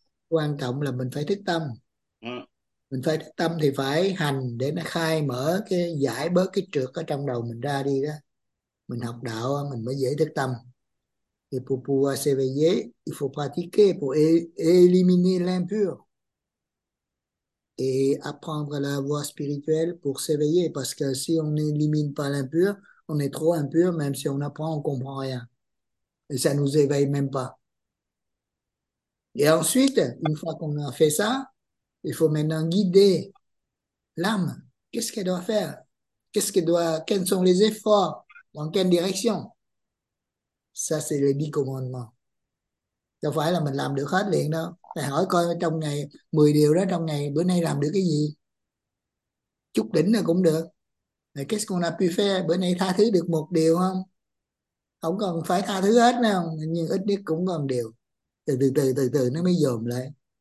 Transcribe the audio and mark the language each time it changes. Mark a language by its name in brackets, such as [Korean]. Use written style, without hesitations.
[Vietnamese] Quan trọng là mình phải thức tâm. Mình phải thức tâm thì phải hành để nó khai mở cái giải bớt cái trược ở trong đầu mình ra đi đó. Mình học đạo mình mới dễ thức tâm. [French] Et pour pouvoir s'éveiller, il faut pratiquer pour éliminer l'impur et apprendre la voie spirituelle pour s'éveiller. Parce que si on n'élimine pas l'impur, on est trop impur, même si on apprend, on ne comprend rien. Et ça ne nous éveille même pas. Et ensuite, une fois qu'on a fait ça, il faut maintenant guider l'âme. Qu'est-ce qu'elle doit faire? Quels sont les efforts? Dans quelle direction? Ça c'est les 10 commandements. [Vietnamese] Đâu phải là mình làm được hết liền đâu. Thầy hỏi coi trong ngày 10 điều đó trong ngày bữa nay làm được cái gì? Chút đỉnh là cũng được. [French] Qu'est-ce qu'on a pu faire? [Vietnamese] Bữa nay tha thứ được một điều không? Không cần phải tha thứ hết đâu. Nhưng ít nhất cũng còn điều. Từ từ nó mới dồn lại.